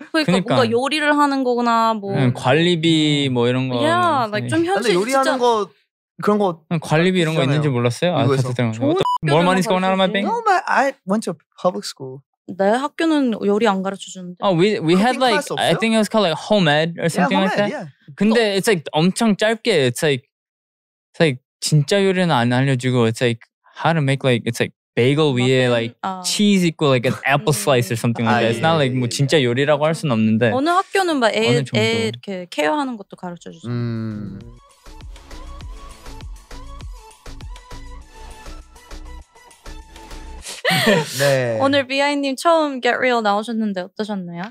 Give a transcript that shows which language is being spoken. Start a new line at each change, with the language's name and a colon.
Korean: 그러니까 뭔가 요리를 하는 거구나 뭐 관리비 뭐 이런 거. Yeah, like 좀 현실 근데 요리하는 거 그런 거 관리비 이런 거 있는지 몰랐어요. 아, 그때 뭘 많이 쓰고 나는 말뱅.
English: No, but I went to public school.
Korean: 내 학교는 요리 안 가르쳐 주는데.
English: Oh, we had like I think it was called like home ed or something yeah, home like ed, that. Yeah. 근데 it's like 엄청 짧게 it's like 진짜 요리는 안 알려주고 it's like how to make like it's like bagel 위에 like cheese 있고 like an apple slice or something like that.
Korean: It's not like 뭐 진짜 요리라고 할 수는 없는데. 어느 학교는 막 애 이렇게 케어하는 것도 가르쳐 주죠. 네. 오늘 비아이님 처음 Get Real 나오셨는데 어떠셨나요?